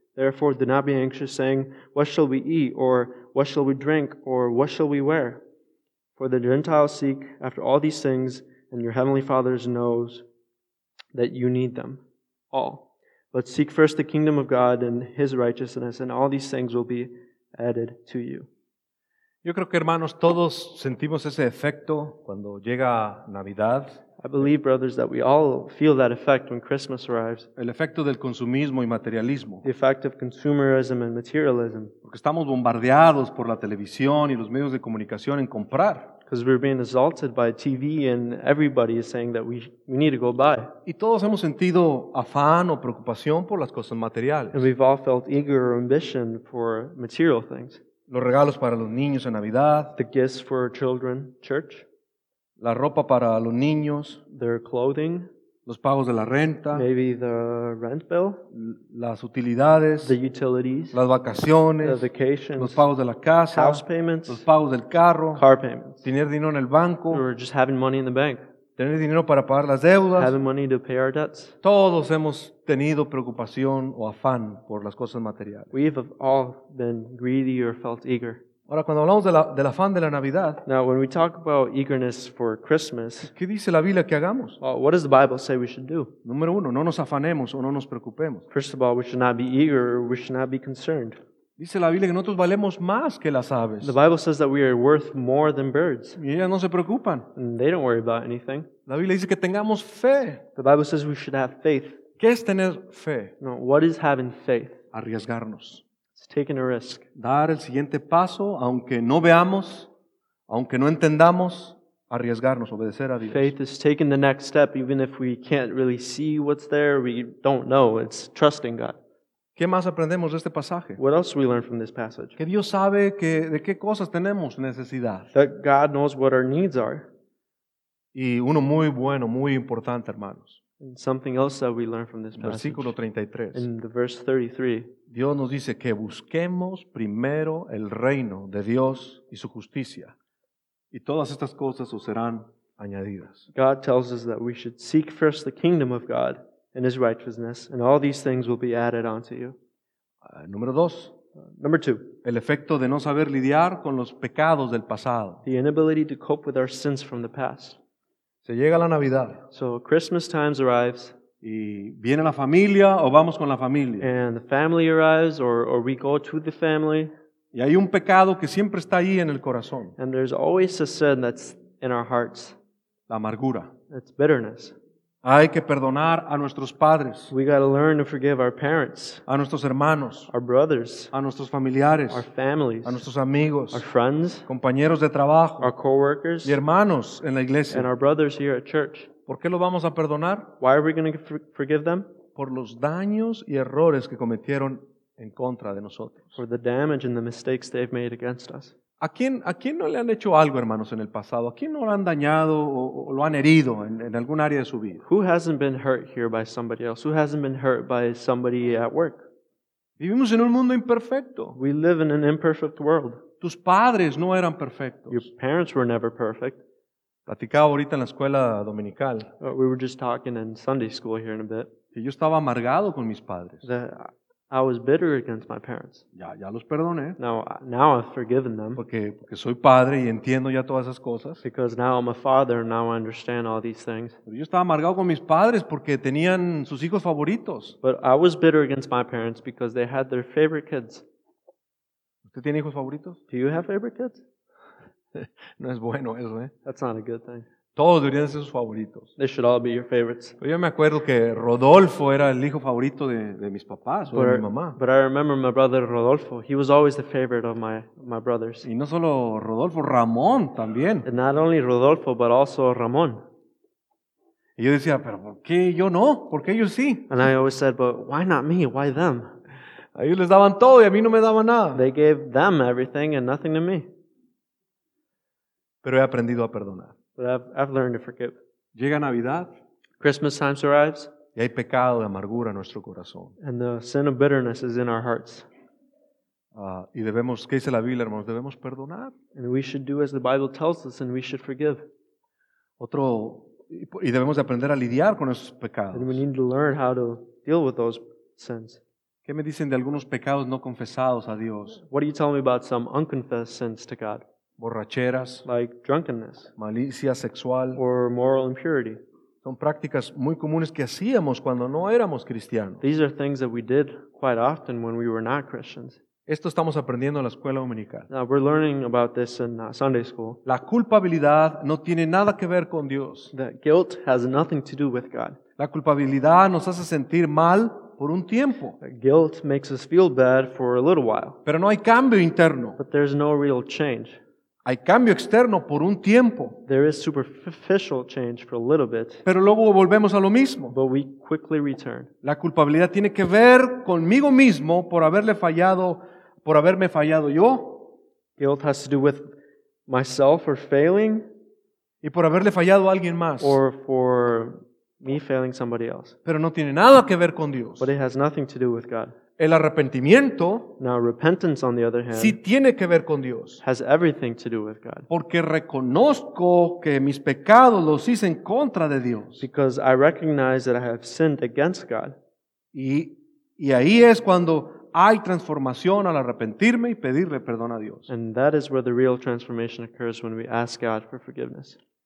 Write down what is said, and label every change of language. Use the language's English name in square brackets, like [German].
[English] Therefore, do not be anxious, saying, what shall we eat, or what shall we drink, or what shall we wear? For the Gentiles seek after all these things, and your heavenly Father knows that you need them all. But seek first the kingdom of God and his righteousness, and all these things will be added to you. [Spanish] Yo creo que, hermanos, todos sentimos ese efecto cuando llega Navidad. [English] I believe, brothers, that we all feel that effect when Christmas arrives. [Spanish] El efecto del consumismo y materialismo. [English] The effect of consumerism and materialism. [Spanish] Porque estamos bombardeados por la televisión y los medios de comunicación en comprar. [English] Because we're being assaulted by TV and everybody is saying that we need to go buy. [Spanish] Y todos hemos sentido afán o preocupación por las cosas materiales. [English] And we've all felt eager or ambition for material things. [Spanish] Los regalos para los niños en Navidad. [English] The gifts for children, church. [Spanish] La ropa para los niños. [English] Their clothing. [Spanish] Los pagos de la renta. [English] Maybe the rent bill. [Spanish] Las utilidades. [English] The utilities. [Spanish] Las vacaciones. [English] The vacations. [Spanish] Los pagos de la casa. [English] House payments. [Spanish] Los pagos del carro. [English] Car payments. [Spanish] Tener dinero en el banco. [English] Or just having money in the bank. [Spanish] Tener dinero para pagar las deudas. [English] Having money to pay our debts. [Spanish] Todos hemos tenido preocupación o afán por las cosas materiales. [English] We have all been greedy or felt eager. [Spanish] Ahora, cuando hablamos del afán de la Navidad, [English] now, when we talk about eagerness for Christmas, [Spanish] ¿qué dice la Biblia que hagamos? [English] What does the Bible say we should do? [Spanish] Número uno, no nos afanemos o no nos preocupemos. [English] First of all, we should not be eager or we should not be concerned. [Spanish] Dice la Biblia que nosotros valemos más que las aves. [English] The Bible says that we are worth more than birds. [Spanish] Y ellas no se preocupan. [English] And they don't worry about anything. [Spanish] La Biblia dice que tengamos fe. [English] The Bible says we should have faith. [Spanish] ¿Qué es tener fe? [English] No, what is having faith? [Spanish] Arriesgarnos. [English] Taking a risk. [Spanish] Dar el siguiente paso, aunque no veamos, aunque no entendamos, arriesgarnos, obedecer a Dios. [English] Faith is taking the next step, even if we can't really see what's there, we don't know. It's trusting God. [Spanish] ¿Qué más aprendemos de este pasaje? [English] What else we learn from this passage? [Spanish] Que Dios sabe que, de qué cosas tenemos necesidad. [English] That God knows what our needs are. [Spanish] Y uno muy bueno, muy importante, hermanos. [English] And something else that we learn from this passage. [Spanish] Versículo 33. [English] In the verse 33. [Spanish] Dios nos dice que busquemos primero el reino de Dios y su justicia. Y todas estas cosas os serán añadidas. [English] God tells us that we should seek first the kingdom of God and his righteousness, and all these things will be added unto you. [Spanish] Número dos. [English] Number two. [Spanish] El efecto de no saber lidiar con los pecados del pasado. [English] The inability to cope with our sins from the past. [Spanish] Se llega la Navidad. [English] So Christmas time arrives. [Spanish] Y viene la familia o vamos con la familia. [English] And the family arrives or we go to the family. [Spanish] Y hay un pecado que siempre está ahí en el corazón. [English] And there's always a sin that's in our hearts. [Spanish] La amargura. [English] It's bitterness. [Spanish] Hay que perdonar a nuestros padres. [English] We got to learn to forgive our parents. [Spanish] A nuestros hermanos. [English] Our brothers. [Spanish] A nuestros familiares. [English] Our families. [Spanish] A nuestros amigos. [English] Our friends. [Spanish] Compañeros de trabajo. [English] Our coworkers. [Spanish] Y hermanos en la iglesia. [English] And our brothers here at church. [Spanish] ¿Por qué lo vamos a perdonar? [English] Why are we going to forgive them? [Spanish] Por los daños y errores que cometieron en contra de nosotros. [English] For the damage and the mistakes they've made against us. [Spanish] ¿A quién no le han hecho algo, hermanos, en el pasado? ¿A quién no lo han dañado o lo han herido en algún área de su vida? [English] Who hasn't been hurt here by somebody else? Who hasn't been hurt by somebody at work? [Spanish] Vivimos en un mundo imperfecto. [English] We live in an imperfect world. [Spanish] Tus padres no eran perfectos. [English] Your parents were never perfect. [Spanish] Platicaba ahorita en la escuela dominical. [English] We were just talking in Sunday school here in a bit. [Spanish] Que yo estaba amargado con mis padres. [English] I was bitter against my parents. [Spanish] Ya los perdoné. [English] Now I've forgiven them. [Spanish] Porque soy padre y entiendo ya todas esas cosas. [English] Because now I'm a father and now I understand all these things. [Spanish] Pero yo estaba amargado con mis padres porque tenían sus hijos favoritos. [English] But I was bitter against my parents because they had their favorite kids. [Spanish] ¿Usted tiene hijos favoritos? [English] Do you have favorite kids? [Spanish] No es bueno eso, ¿eh? [English] That's not a good thing. [Spanish] Todos deberían ser sus favoritos. [English] They should all be your favorites. [Spanish] Yo me acuerdo que Rodolfo era el hijo favorito de mis papás o de mi mamá. [English] But I remember my brother Rodolfo. He was always the favorite of my brothers. [Spanish] Y no solo Rodolfo, Ramón también. [English] And not only Rodolfo, but also Ramón. [Spanish] Y yo decía, pero ¿por qué yo no? ¿Por qué ellos sí? [English] And I always said, but why not me? Why them? [Spanish] A ellos les daban todo y a mí no me daban nada. [English] They gave them everything and nothing to me. [Spanish] Pero he aprendido a perdonar. [English] But I've learned to forgive. [Spanish] Llega Navidad. [English] Christmas time arrives. [Spanish] Y hay pecado de amargura en nuestro corazón. [English] And the sin of bitterness is in our hearts. [Spanish] Y debemos, ¿qué dice la Biblia, hermanos? Debemos perdonar. [English] And we should do as the Bible tells us and we should forgive. [Spanish] Otro, y debemos de aprender a lidiar con esos pecados. [English] And we need to learn how to deal with those sins. [Spanish] ¿Qué me dicen de algunos pecados no confesados a Dios? [English] What are you telling me about some unconfessed sins to God? [Spanish] Borracheras, [English] like drunkenness, [Spanish] malicia sexual, [English] or moral impurity. [Spanish] Son prácticas muy comunes que hacíamos cuando no éramos cristianos. [English] These are things that we did quite often when we were not Christians. [Spanish] Esto estamos aprendiendo en la escuela dominical. [English] Now we're learning about this in Sunday school. [Spanish] La culpabilidad no tiene nada que ver con Dios. [English] The guilt has nothing to do with God. [Spanish] La culpabilidad nos hace sentir mal por un tiempo. [English] Guilt makes us feel bad for a little while. [Spanish] Pero no hay cambio interno. [English] But there's no real change. [Spanish] Hay cambio externo por un tiempo. [English] There is superficial change for a little bit. [Spanish] Pero luego volvemos a lo mismo. [English] But we quickly return. [Spanish] La culpabilidad tiene que ver conmigo mismo por haberle fallado, por haberme fallado yo. [English] Guilt has to do with myself for failing. [Spanish] Y por haberle fallado a alguien más. [English] Or for me failing somebody else. [Spanish] Pero no tiene nada que ver con Dios. [English] But it has nothing to do with God. [Spanish] El arrepentimiento, [English] now, repentance, on the other hand, [Spanish] sí tiene que ver con Dios. [English] Has everything to do with God. [Spanish] Porque reconozco que mis pecados los hice en contra de Dios. [English] Because I recognize that I have sinned against God. [Spanish] Y ahí es cuando hay transformación al arrepentirme y pedirle perdón a Dios. [English] And that is where the real transformation occurs when we ask God for forgiveness.